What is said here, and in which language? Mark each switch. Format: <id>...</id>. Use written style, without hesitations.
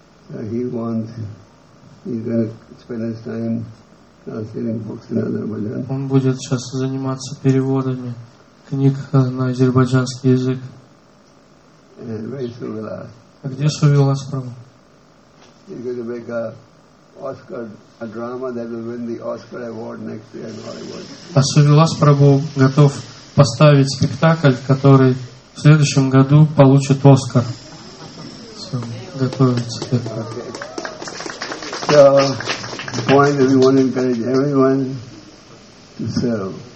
<en>So he's going to spend his time</en> <ru>Он будет сейчас заниматься переводами книг на азербайджанский язык. А где Шувилас Прабу?</ru> <en>He's going to make a Oscar a drama that will win the Oscar award next year in Hollywood.</en> <ru>А Шувилас Прабу готов поставить спектакль, который в следующем году получит Оскар. Все, готовится к этому.</ru> <en>Okay. So, the point is we want to encourage everyone to serve.</en>